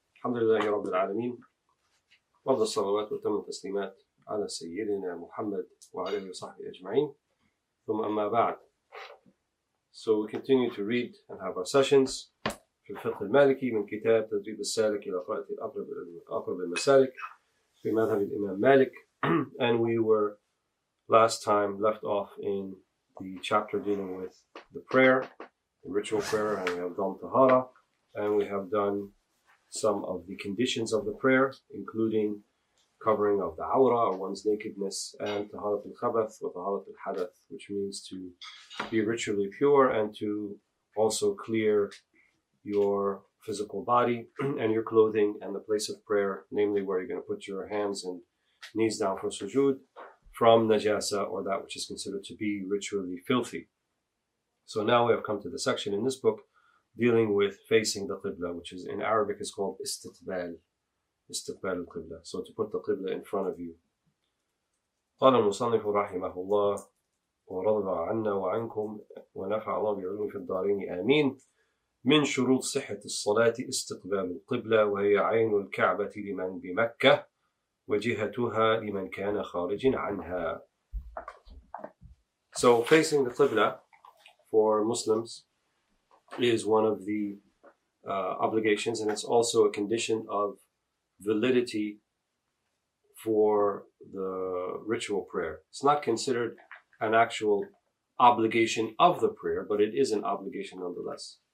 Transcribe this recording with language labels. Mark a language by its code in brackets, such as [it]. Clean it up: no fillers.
[ar] الحمد لله رب العالمين، وافضل الصلوات وتم التسليمات على سيدنا محمد وعلى اله وصحبه اجمعين. ثم اما بعد، [en] so we continue to read and have our sessions [ar] في الفقه المالكي من كتاب تدريب السالك الى قراءة الاقرب المسالك في مذهب الامام مالك. [en] And we were last time left off in the chapter dealing with the prayer, the ritual prayer, and we have done tahara, and we have done some of the conditions of the prayer, including covering of the awra, or one's nakedness, and taharat al-khabath or taharat al-hadath, which means to be ritually pure and to also clear your physical body and your clothing and the place of prayer, namely where you're going to put your hands and knees down for sujood, from najasa, or that which is considered to be ritually filthy. So now we have come to the section in this book dealing with facing the qibla, which is in Arabic is called istiqbal, istiqbal al-qibla. So to put the qibla in front of you. [ar] قال المصنف رحمه الله ورضى عنا وعنكم ونفع الله بعلمه في الدارين آمين. من شروط صحة الصلاة استقبال القبلة، وهي عين الكعبة لمن بمكة وجهتها لمن كان خارج عنها. [en] So facing the qibla for Muslims is one of the obligations, and it's also a condition of validity for the ritual prayer. It's not considered an actual obligation of the prayer, but it is an obligation nonetheless.